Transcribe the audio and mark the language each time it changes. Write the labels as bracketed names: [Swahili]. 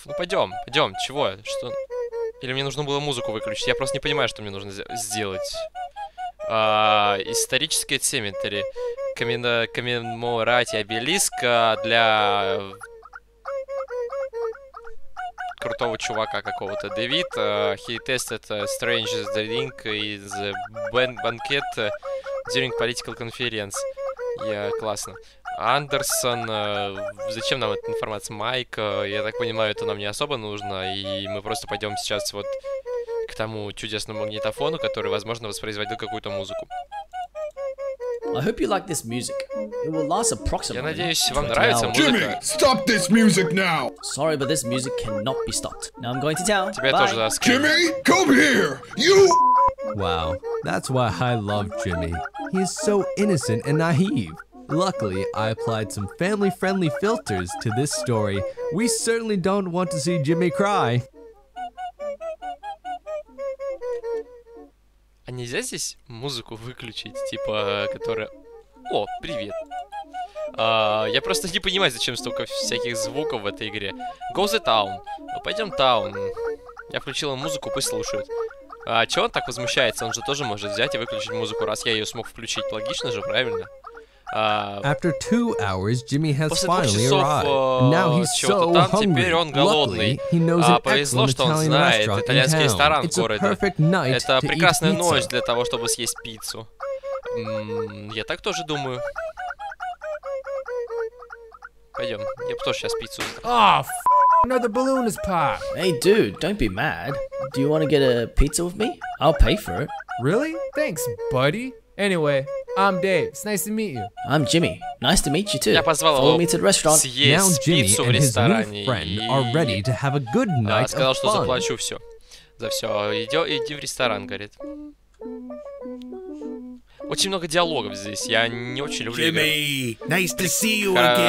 [Russian] Ну пойдем, пойдем, чего? Что? Или мне нужно было музыку выключить? Я просто не понимаю, что мне нужно сделать. Исторический цемитери. Коммеморати обелиск для крутого чувака какого-то. [English] Дэвид, he tested strange drink [Russian] из банкет [English] during political conference. [Russian] Я классно. Андерсон, зачем нам эта информация? Майк, я так понимаю, это нам не особо нужно, и мы просто пойдем сейчас вот к тому чудесному магнитофону, который, возможно, воспроизводил какую-то музыку. [English] I hope you like this music. It will last approximately 20 hours. [Russian] Я надеюсь, вам нравится музыка. [English] Jimmy, stop this music now! Sorry, but this music cannot be stopped. Now I'm going to town. [Russian] Тебя [English] Bye. [Russian] Тоже заскрыли. [English] Jimmy, come here! You... Wow, that's why I love Jimmy. He is so innocent and naive. Luckily, I applied some family-friendly filters to this story. We certainly don't want to see Jimmy cry. [Russian] А нельзя здесь музыку выключить, типа, которая... О, привет. Я просто не понимаю, зачем столько всяких звуков в этой игре. [English] Go the town. [Russian] Пойдем town. Я включил музыку, пусть слушают. А чё он так возмущается? Он же тоже может взять и выключить музыку, раз я ее смог включить. Логично же, правильно? [English] After 2 hours, Jimmy has finally arrived. Now he's so hungry. Luckily, he knows an excellent Italian restaurant in town. It's a perfect night to eat pizza. [Russian] Это прекрасная ночь для того, чтобы съесть пиццу. Я так тоже думаю. Пойдем. Я тоже сейчас пиццу. [English] Oh, another balloon is popped. Hey, dude, don't be mad. Do you want to get a pizza with me? I'll pay for it. Really? Thanks, buddy. Anyway. I'm Dave. It's nice to meet you. I'm Jimmy. Nice to meet you too. [Russian] Я позвал [English] Follow me to the restaurant. Now Jimmy and his new friend are ready to have a good night [Russian] сказал, [English] of fun. [Russian] Сказал, что заплачу все. За все. Иди в ресторан, говорит. Очень много диалогов здесь. Я не очень люблю. [English] Jimmy, nice to see you again.